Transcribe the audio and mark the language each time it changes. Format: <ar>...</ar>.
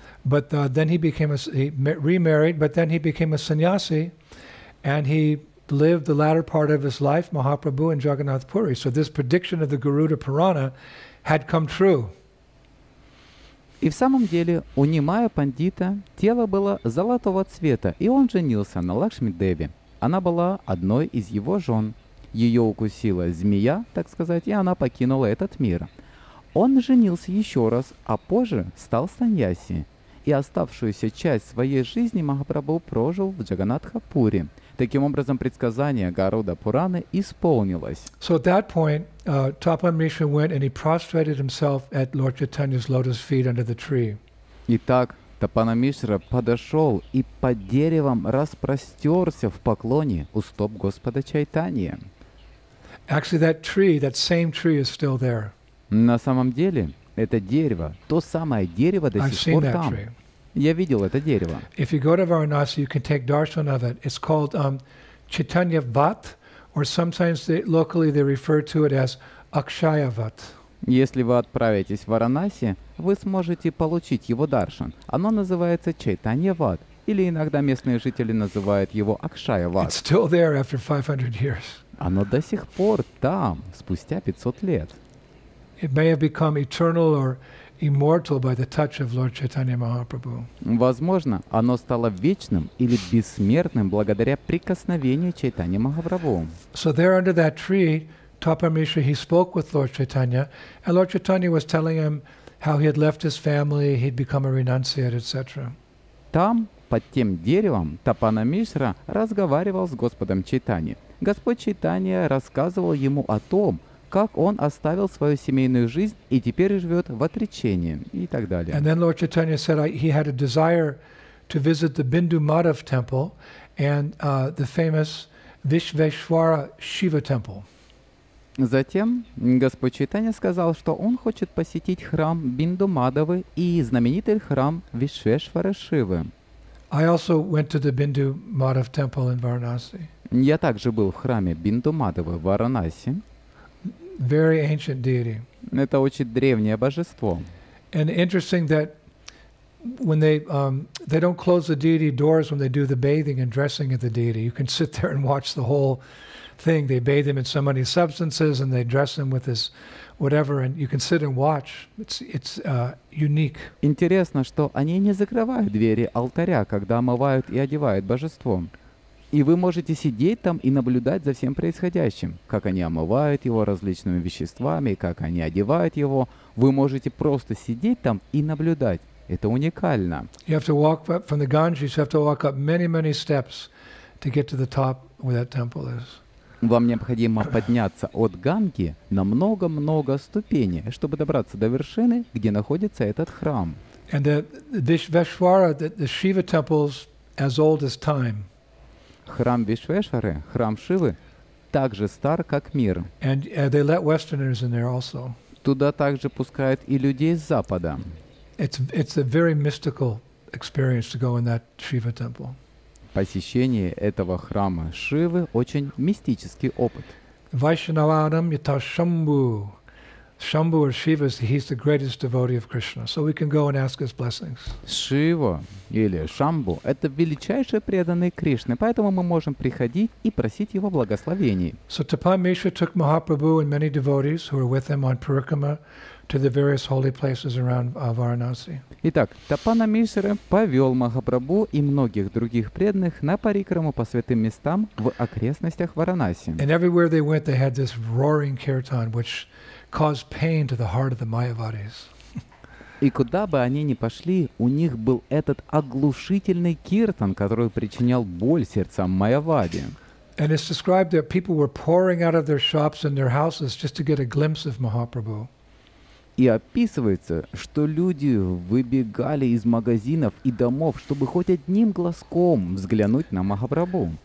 <en>But then he remarried, but then he became a sannyasi, and he lived the latter part of his life, Mahaprabhu and Jagannath Puri. So this prediction of the Garuda Purana had come true.</en> <ru>И в самом деле, у Нимая Пандита тело было золотого цвета, и он женился на Лакшми Деви. Она была одной из его жен. Ее укусила змея, так сказать, и она покинула этот мир. Он женился еще раз, а позже стал саньяси. И оставшуюся часть своей жизни Махапрабху прожил в Джаганатхапуре. Таким образом, предсказание Гаруда Пураны исполнилось.</ru> <en>So at that point, Тапан Мишра went and he prostrated himself at Lord Chaitanya's lotus feet under the tree.</en> <ru>Итак, Тапана Мишра подошел и под деревом распростерся в поклоне у стоп Господа Чайтанья.</ru> <en>Actually, that same tree is still there.</en> <ru>На самом деле, это дерево, то самое дерево до сих пор там. Я видел это дерево.</ru> <en>If you go to Varanasi, you can take darshan of it. It's called Chaitanya Vat, or sometimes locally they refer to it as Akshaya Vat.</en> <ru>Если вы отправитесь в Варанаси, вы сможете получить его даршан. Оно называется Чайтанья Вад, или иногда местные жители называют его Акшая Вад.</ru> <en>It's still there after 500 years.</en> <ru>Оно до сих пор там, спустя 500 лет.</ru> <en>It may have become eternal or immortal by the touch of Lord Chaitanya Mahaprabhu.</en> <ru>Возможно, оно стало вечным или бессмертным благодаря прикосновению Чайтанья Махапрабху.</ru> <en>So there under that tree, Tapa Mishra, he spoke with Lord Chaitanya, and Lord Chaitanya was telling him how he had left his family, he'd become a renunciate, etc.</en> <ru>Там, под тем деревом, Тапана Мишра разговаривал с Господом Чайтаньей. Господь Чайтанья рассказывал ему о том, как он оставил свою семейную жизнь и теперь живет в отречении и так далее.</ru> <en>And then Lord Chaitanya said he had a desire to visit the Bindu Madhav temple and the famous Vishveshwara Shiva temple.</en> <ru>Затем Господь Чайтанья сказал, что он хочет посетить храм Бинду Мадавы и знаменитый храм Вишвешвара Шивы.</ru> <en>I also went to the Bindu Madhav temple in Varanasi.</en> <ru>Я также был в храме Бинду Мадавы в Варанаси.</ru> <en>Very ancient deity.</en> <ru>Это очень древнее божество.</ru> <en>And interesting that when they don't close the deity doors when they do the bathing and dressing of the deity. You can sit there and watch the whole thing. They bathe him in so many substances and they dress him with this whatever, and you can sit and watch. It's unique.</en> <ru>Интересно, что они не закрывают двери алтаря, когда омывают и одевают божеством. И вы можете сидеть там и наблюдать за всем происходящим, как они омывают его различными веществами, как они одевают его. Вы можете просто сидеть там и наблюдать. Это уникально.</ru> <en>You have to walk up from the Ganges, you have to walk up many, many steps to get to the top where that temple is.</en> <ru>Вам необходимо подняться от Ганги на много-много ступеней, чтобы добраться до вершины, где находится этот храм.</ru> <en>And the Shiva temples as old as time.</en> <ru>Храм Вишвешвары, храм Шивы, также стар, как мир.</ru> <en>And they let Westerners in there also.</en> <ru>Туда также пускают и людей с Запада.</ru> <en>It's a very mystical experience to go in that Shiva temple.</en> <ru>Посещение этого храма Шивы очень мистический опыт.</ru> <sa>Vaishnavanam yata Shambhu.</sa> <en>Shambhu or Shiva, he's the greatest devotee of Krishna. So we can go and ask his blessings.</en> <ru>Шива или Шамбу – это величайший преданный Кришны, поэтому мы можем приходить и просить его благословений.</ru> <en>So Tapa Misha took Mahaprabhu and many devotees who were with him on Parikrama to the various holy places around Varanasi.</en> <ru>Итак, Тапана Мишра повел Махапрабху и многих других преданных на парикраму по святым местам в окрестностях Варанаси.</ru> <en>And everywhere they went, they had this roaring kirtan, which caused pain to the heart of the Mayavadis.</en> <ru>И куда бы они ни пошли, у них был этот оглушительный киртан, который причинял боль сердцам Майявади.</ru> <en>And it's described that people were pouring out of their shops and their houses just to get a glimpse of Mahaprabhu.</en> <ru>И описывается, что люди выбегали из магазинов и домов, чтобы хоть одним глазком взглянуть на Махапрабху.</ru>